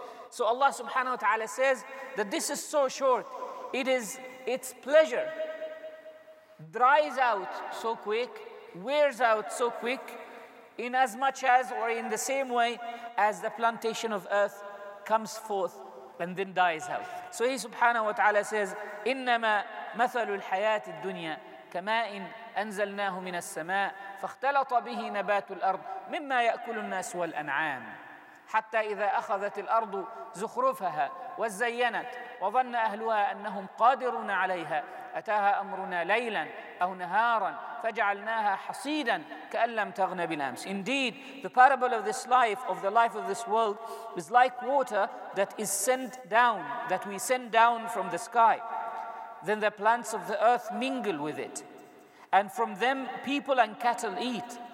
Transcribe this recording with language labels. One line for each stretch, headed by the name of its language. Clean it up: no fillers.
English: So Allah subhanahu wa ta'ala says that this is so short, its pleasure dries out so quick, wears out so quick, in as much as or in the same way as the plantation of earth comes forth and then dies out. So He subhanahu wa ta'ala says,
Arabic: إِنَّمَا مَثَلُ الْحَيَاةِ الدُّنْيَا كَمَاءٍ أَنْزَلْنَاهُ مِنَ السَّمَاءِ فَاخْتَلَطَ بِهِ نَبَاتُ الْأَرْضِ مِمَّا يَأْكُلُ النَّاسُ وَالْأَنْعَامِ حتى إذا أخذت الأرض زخرفها وزينت وظن أهلها أنهم قادرون عليها أتاها أمرنا ليلا أو نهارا فجعلناها حصيدا كأن لم تغن بالأمس.
English: Indeed, the parable of this life, of the life of this world, is like water that is sent down, that we send down from the sky. Then the plants of the earth mingle with it, and from them people and cattle eat.